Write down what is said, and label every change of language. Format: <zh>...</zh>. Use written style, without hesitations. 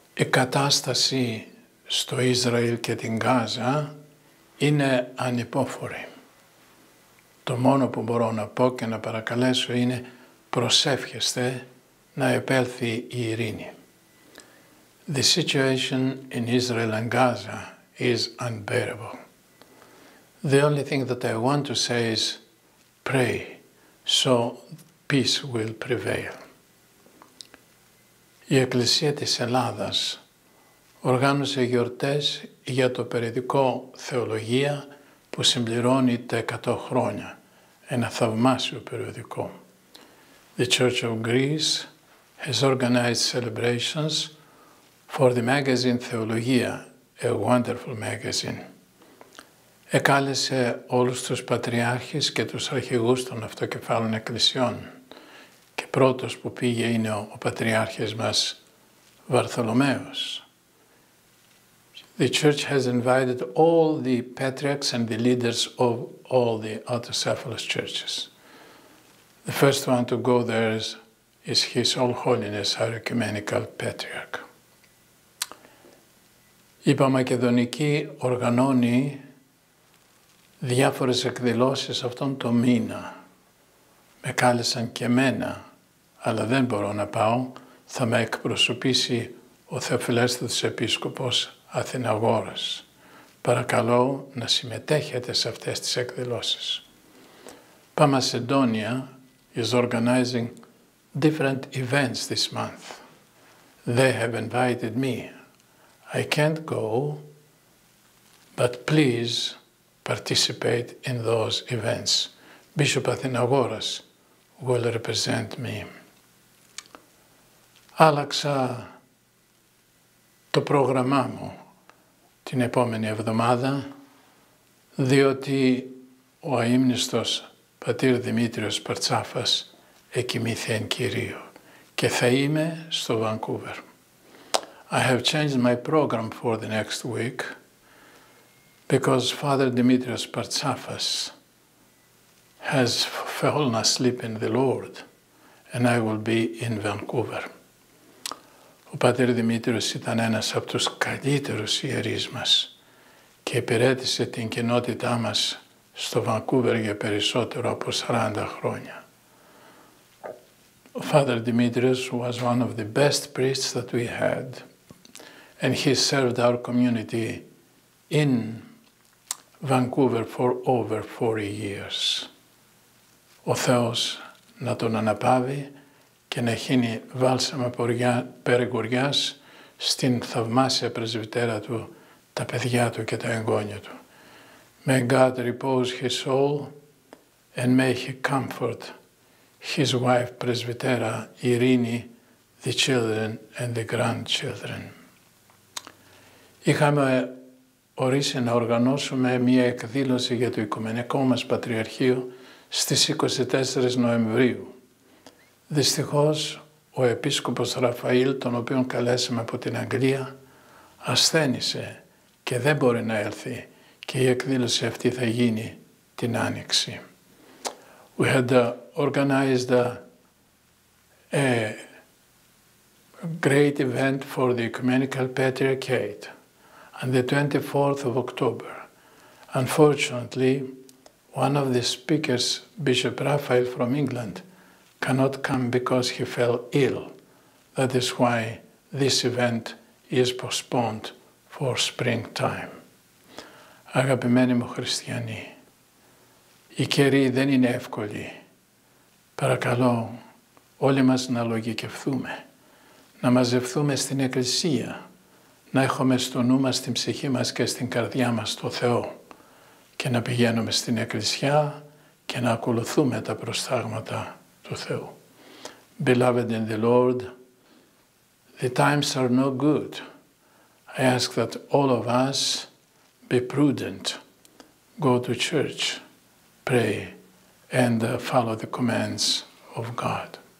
<el>Κατάσταση στο Ισραήλ και την Γάζα είναι ανυπόφορη. Το μόνο που μπορώ να πω και να παρακαλέσω είναι προσεύχεστε να επέλθει η ειρήνη.</el> <en>The situation in Israel and Gaza is unbearable. The only thing that I want to say is pray so peace will prevail.</en> <el>Η Εκκλησία της Ελλάδας οργάνωσε γιορτές για το περιδικό Θεολογία που συμπληρώνει τα 100 χρόνια. Ένα θαυμάσιο περιοδικό.</el> <en>The Church of Greece has organized celebrations for the magazine Θεολογία, a wonderful magazine.</en> <el>Εκάλεσε όλους τους πατριάρχες και τους αρχηγούς των αυτοκεφάλων εκκλησιών. Και πρώτος που πήγε είναι ο πατριάρχης μας Βαρθολομαίος.</el> <en>The Church has invited all the patriarchs and the leaders of all the autocephalous churches. The first one to go there is His All Holiness, our Ecumenical Patriarch.</en> <el>Η Παμακεδονική οργανώνει διάφορες εκδηλώσεις αυτόν τον μήνα. Με κάλεσαν και εμένα, αλλά δεν μπορώ να πάω. Θα με εκπροσωπήσει ο Θεοφιλέστατος Επίσκοπος Αθηναγόρας. Παρακαλώ να συμμετέχετε σε αυτές τις εκδηλώσεις.</el> <en>Παμασεντόνια is organizing different events this month. They have invited me. I can't go, but please participate in those events. Bishop Αθηναγόρας will represent me.</en> <el>Άλλαξα το πρόγραμμά μου την επόμενη εβδομάδα, διότι ο αείμνηστος πατήρ Δημήτριος Παρτσάφας εκοιμήθη εν Κυρίω και θα είμαι στο Vancouver.</el> <en>I have changed my program for the next week because Father Dimitrios Partsafas has fallen asleep in the Lord and I will be in Vancouver.</en> <el>Ο πατήρ Δημήτριος ήταν ένας από τους καλύτερους ιερείς μας και υπηρέτησε την κοινότητά μας στο Βανκούβερ για περισσότερο από 40 χρόνια.</el> <en>Ο Father Dimitrios was one of the best priests that we had and he served our community in Vancouver for over 40 years.</en> <el>Ο Θεός να τον αναπαύει και να χύνει βάλσαμα περιγοριάς στην θαυμάσια πρεσβυτέρα του, τα παιδιά του και τα εγγόνια του.</el> <en>May God repose his soul and may he comfort his wife, πρεσβυτέρα Ειρήνη, the children and the grandchildren.</en> <el>Είχαμε ορίσει να οργανώσουμε μία εκδήλωση για το Οικουμενικό μας Πατριαρχείο στις 24 Νοεμβρίου. Δυστυχώς, ο Επίσκοπος Ραφαήλ, τον οποίον καλέσαμε από την Αγγλία, ασθένησε και δεν μπορεί να έρθει και η εκδήλωση αυτή θα γίνει την Άνοιξη.</el> <en>We had organized a great event for the Ecumenical Patriarchate on the 24th of October. Unfortunately, one of the speakers, Bishop Raphael from England, cannot come because he fell ill. That is why this event is postponed for springtime.</en> <el>Αγαπημένοι μου χριστιανοί, οι καιροί δεν είναι εύκολοι. Παρακαλώ όλοι μας να λογικευθούμε, να μαζευθούμε στην Εκκλησία, να έχουμε στο νου μας, στην ψυχή μας και στην καρδιά μας το Θεό και να πηγαίνουμε στην Εκκλησία και να ακολουθούμε τα προστάγματα του Θεού.</el> <en>Beloved in the Lord, The times are no good. I ask that all of us be prudent, go to church, pray, and follow the commands of God.</en>